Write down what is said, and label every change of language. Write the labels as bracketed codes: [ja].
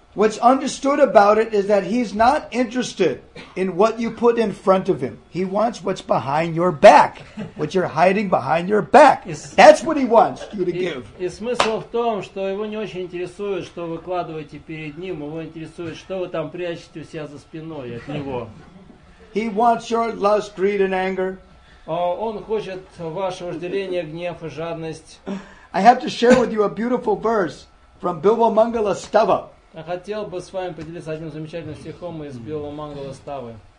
[en] What's understood about it is that he's not interested in what you put in front of him. He wants what's behind your back, what you're hiding behind your back. That's what he wants you to give. [ru] И смысл в том, что его не очень интересует, что вы кладываете перед ним, его интересует, что вы там прячете у себя за спиной от него. [en] He wants your lust, greed and anger. [ru] Он хочет ваше вожделение, гнев и жадность. [en] I have to share with you a beautiful verse from Bilbo Mangala Stava. [ru] Я хотел бы с вами поделиться одним замечательным стихом из Билла Мангала Ставы.